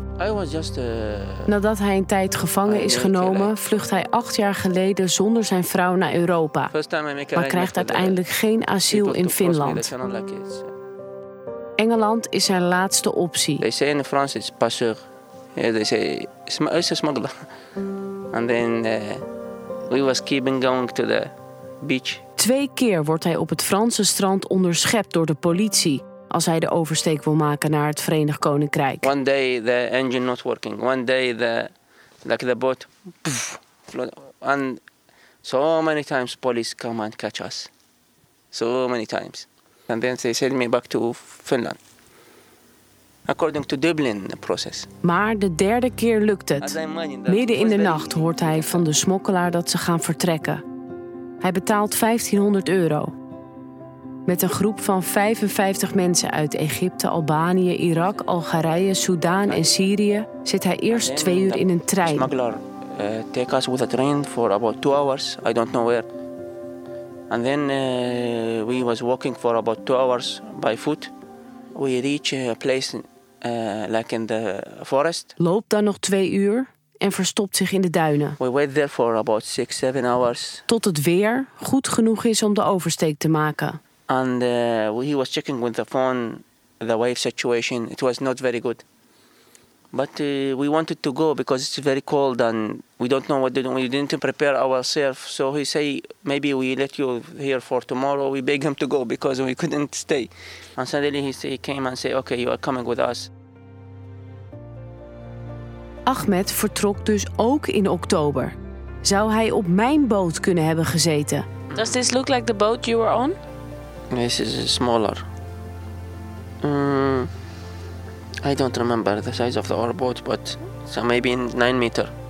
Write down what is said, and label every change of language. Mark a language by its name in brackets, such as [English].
[English] I was just, [Dutch] Nadat hij een tijd gevangen is genomen, vlucht hij 8 jaar geleden zonder zijn vrouw naar Europa. Maar krijgt uiteindelijk geen asiel in Finland. Engeland is zijn laatste optie. [English] They say in France it's passeur. Yeah, they say it's a smuggler. And then we was keeping going to the beach. [Dutch] 2 keer wordt hij op het Franse strand onderschept door de politie als hij de oversteek wil maken naar het Verenigd Koninkrijk. [English] One day the engine not working. One day the like the boat poof, and so many times police come and catch us. So many times. And then they send me back to Finland. According to Dublin process. [Dutch] Maar de 3rd keer lukt het. Midden in de nacht hoort hij van de smokkelaar dat ze gaan vertrekken. Hij betaalt €1.500. Met een groep van 55 mensen uit Egypte, Albanië, Irak, Algerije, Soedan en Syrië zit hij eerst 2 uur in een trein. [English] Smuggler take us with a train for about 2 hours. I don't know where. And then we was walking for about 2 hours by foot. We reach a place like in the forest. [Dutch] Loopt dan nog 2 uur en verstopt zich in de duinen. [English] We wait there for about 6-7 hours. [Dutch] Tot het weer goed genoeg is om de oversteek te maken. [English] And he was checking with the phone the wave situation. It was not very good. But we wanted to go because it's very cold and we don't know what to do. We didn't prepare ourselves. So he say maybe we let you here for tomorrow. We beg him to go because we couldn't stay. And suddenly he came and say, okay, you are coming with us. [Dutch] Ahmed vertrok dus ook in oktober. Zou hij op mijn boot kunnen hebben gezeten? [English] Does this look like the boat you were on? This is smaller. I don't remember the size of our boat, but so maybe in 9 meters.